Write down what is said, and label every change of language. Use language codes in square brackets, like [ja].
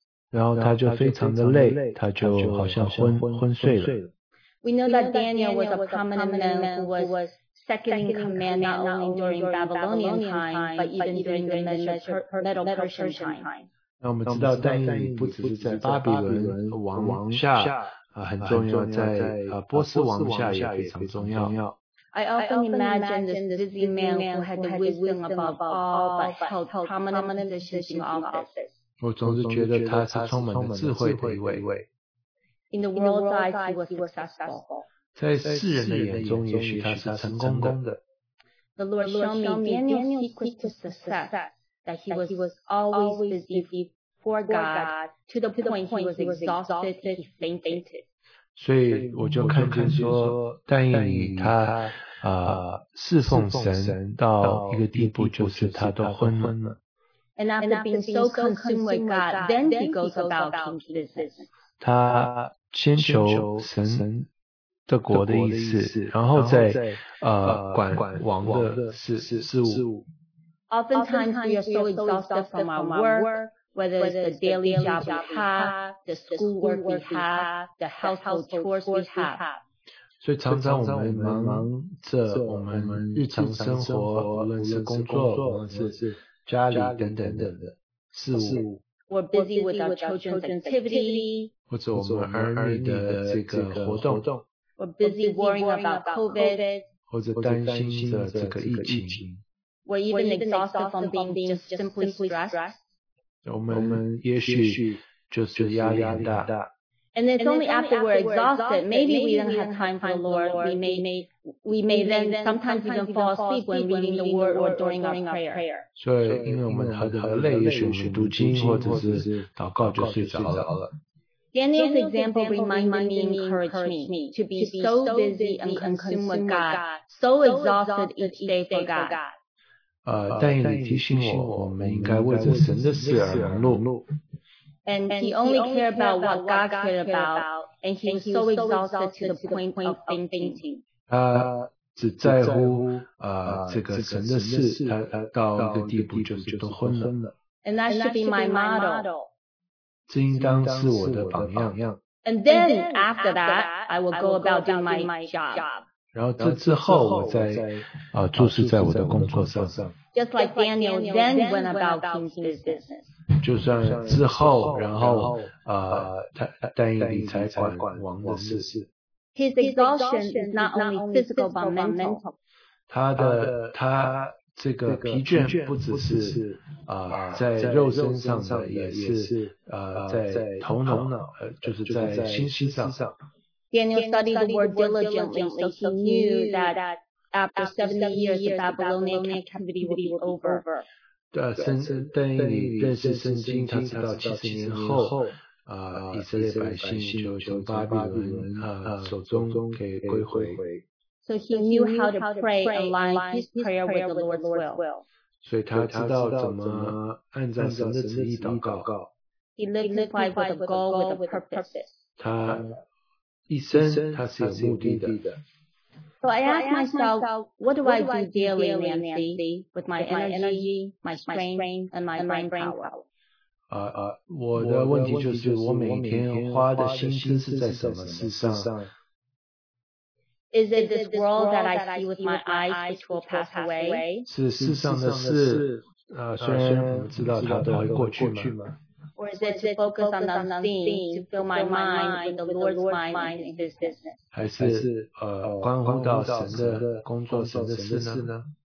[zh] 然后他就非常的累，他就好像昏睡了。 [en] We know that Daniel was a prominent man who was second in command not only during Babylonian time, but even during the Middle Persian time. [zh] 那我们知道但以理不只是在巴比伦王下很重要，在波斯王下也非常重要。 [en] I often imagine this busy man who had the wisdom above all, but held prominent positions in office. [zh] 我总是觉得他是充满智慧的一位。 [en] In the world's eyes, he was successful. [zh] 在世人的眼中，也许他是成功的。 [en] The Lord showed me Daniel's secret to success, that he was always busy. For God, to the point he was exhausted, he fainted. [zh] 所以我就看看说，但以理他侍奉神到一个地步，就是他都昏了。 [en] And after being so consumed with God, then he goes about his business. [zh] 他先求神的国的意思，然后再管王的事务。 [en] Oftentimes we are so exhausted from our work. Whether it's the daily job we have, the school work we have, the household chores we have. [zh] 所以常常我们忙着我们日常生活，无论是工作，无论是家里等等等的事物。 [en] We're busy with our children's activity. [zh] 或者我们儿女的这个活动。 [en] We're busy worrying about COVID. [zh] 或者担心着这个疫情。 [en] We're even exhausted from being just simply stressed. [zh] 我们也许就是压力很大。 [en] And it's only after we're exhausted, maybe we don't have time for the Lord. We may then sometimes even fall asleep when reading the word or during our prayer. [zh] 所以因为我们很累，也许我们读经或者是祷告就睡着了。 [en] Daniel's example reminded me, encouraged me to be so busy and consumed with God, so exhausted each day for God. [zh] 但以理提醒我，我们应该为着神的事而忙碌。 [en] And he only cared about what God cared about, and he was so exhausted to the point of fainting. [zh] 他只在乎这个神的事，他到一个地步就都昏了。 [en] And that should be my model. [zh] 这应当是我的榜样。 [en] And then after that, I will go about doing my job. [zh] 然后这之后我在注视在我的工作上。 [en] Just like Daniel then went about King Kingsley's business. [zh] 就算之后然后但以理财管王的事。 [en] His exhaustion is not only physical but mental. [zh] 他这个疲倦不只是在肉身上的，也是在头脑，就是在心思上。 [en] Daniel studied the word diligently, so he knew that after 70 years, the Babylonian captivity would be over. [zh] 但以理认识圣经，他知道七十年后以色列百姓就从巴比伦手中给归回。 [en] So he knew how to pray, align his prayer with the Lord's will. [zh] 所以他知道怎么按照神的旨意祷告。 [en] He lived his life with a goal, with a purpose. [zh] 他一生他是有目的的。 [en] So I asked myself, what do I do daily, Nancy, with my energy, my strength, and my mind power? [zh] 我的问题就是我每天花的心思是在什么事上。 [en] Is it this world that I see with my eyes which will pass away? [zh] 是世上的事虽然知道它都会过去吗？ [en] Or is it to focus on the unseen to fill my mind with the Lord's mind in his business? [zh] 还是关乎到神的工作神的事呢？